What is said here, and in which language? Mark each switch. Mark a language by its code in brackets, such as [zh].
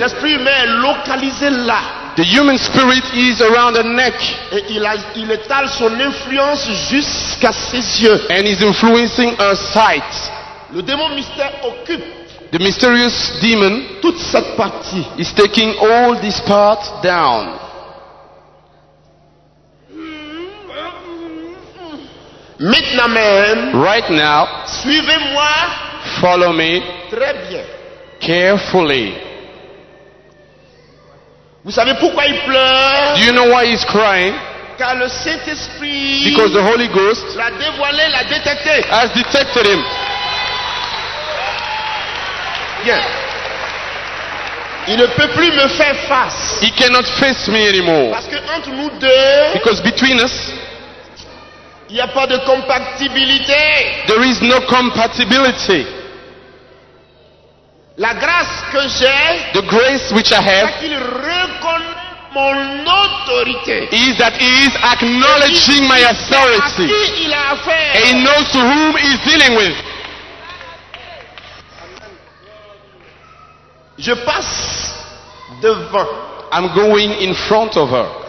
[fr] L'esprit humain est localisé là. [en] The human spirit is around the neck. [fr] Et il étale son influence jusqu'à ses yeux. [en] And is influencing her sight. [fr] Le démon mystère occupe. [en] The mysterious demon, [fr] toute cette partie, [en] is taking all this part down. [fr] Maintenant même, [en] right now, [fr] suivez-moi. [en] Follow me. [fr] Très bien. [en] Carefully. [fr] Vous savez pourquoi il pleure? [en] Do you know why he's crying? [fr] Car le Saint-Esprit, [en] because the Holy Ghost, [fr] l'a dévoilé, l'a détecté, [en] has detected him. [fr] Bien. Il ne peut plus me faire face. [en] He cannot face me anymore. [fr] Parce que entre nous deux, [en] because between us, [fr] il n'y a pas de compatibilité. [en] There is no compatibility. [fr] La grâce que j'ai, [en] the grace which I have, [fr] qu'il reconnaît mon autorité, [en] is that he is acknowledging my authority. [fr] À qui il a affaire. [en] And he knows whom he is dealing with. [fr] Je passe devant. [en] I'm going in front of her.